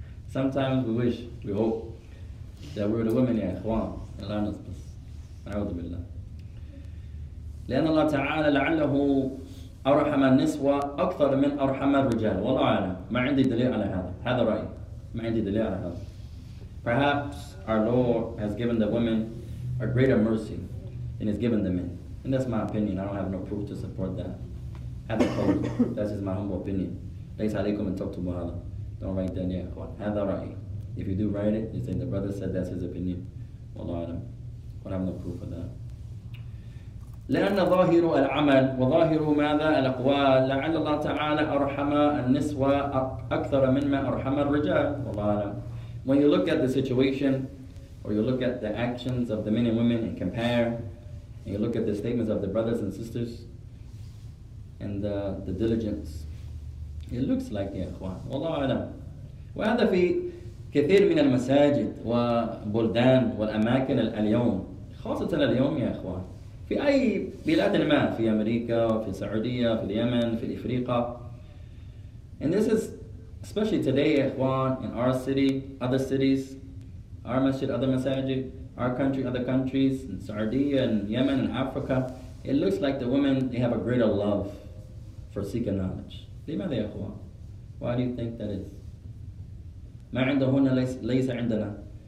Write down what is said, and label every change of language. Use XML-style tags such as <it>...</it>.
<en>Sometimes we wish, we hope, that we're the women, Ikhwan. May Allah help us. أعوذ بالله.</en> <ar>لأن الله تعالى لعله أرحم النسوة أكثر من أرحم الرجال. والله أعلم. ما عندي دليل على هذا. هذا رأيي. ما عندي دليل على هذا.</ar> <en>Perhaps our Lord has given the women a greater mercy than He's given the men. And that's my opinion. I don't have no proof to support that.</en> <ar>هذا قول.</ar> <en>That's just my humble opinion.</en> <ar>ليس عليكم أن تكتبوا هذا.</ar> <en>Don't write that yet.</en> <ar>هذا رأيي.</ar> <en>If you do write it, you say the brother said that's his opinion. والله أعلم. I have no proof of that.</en> <ar>لأن ظاهر العمل وظاهر ماذا الأقوال لعل الله تعالى أرحم النسوة أكثر مما أرحم الرجال. والله أعلم.</ar> <en>When you look at the situation, or you look at the actions of the men and women, and compare, and you look at the statements of the brothers and sisters, and the diligence, it looks like the أخوان.</en> <ar>والله أعلم. وهذا في كثير من المساجد وبلدان والأماكن اليوم. خاصة اليوم يا إخوان في أي بلاد ما في أمريكا في السعودية في اليمن في إفريقيا.</ar> <en>And this is especially today إخوان in our city, other cities, our masjid, other masajid, our country, other countries, in Saudi and Yemen and Africa. It looks like the women, they have a greater love for seeking knowledge.</en> <ar>لماذا يا إخوان؟</ar> <en>Why do you think that is؟</en> <ar>ما عندهن ليس عندنا.</ar>